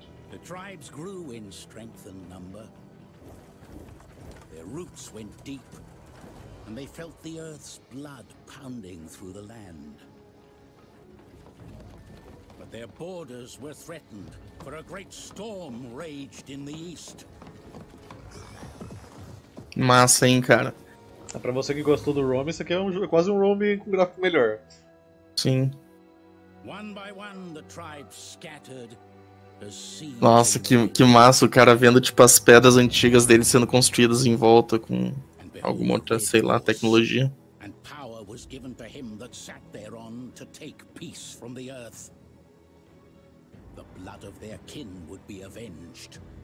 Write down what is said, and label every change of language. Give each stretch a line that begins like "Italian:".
English: The tribes grew in strength and number. Their roots went deep, and they felt the earth's blood pounding through the land. But their borders were threatened, for a great storm raged in the east.
Portuguese: Massa, hein, cara? É pra você que gostou do Rome, isso aqui é quase um Rome com gráfico melhor. Sim.
English: One by one, the tribes scattered.
Portuguese: Nossa, que massa, o cara vendo tipo as pedras antigas dele sendo construídas em volta com alguma outra, sei lá, tecnologia.
English: And power was given to him that sat thereon to take peace from the earth. The blood of their kin would be avenged.